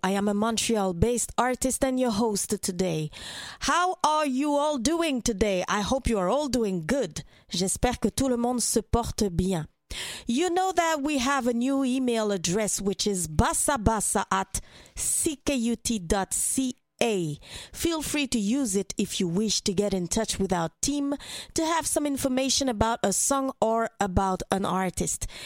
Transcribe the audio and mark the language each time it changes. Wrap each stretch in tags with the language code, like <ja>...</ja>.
<en>I am a Montreal-based artist and your host today. How are you all doing today? I hope you are all doing good.</en> <fr>J'espère que tout le monde se porte bien.</fr> <en>You know that we have a new email address, which is basabasa@ckut.ca. Feel free to use it if you wish to get in touch with our team to have some information about a song or about an artist.</en>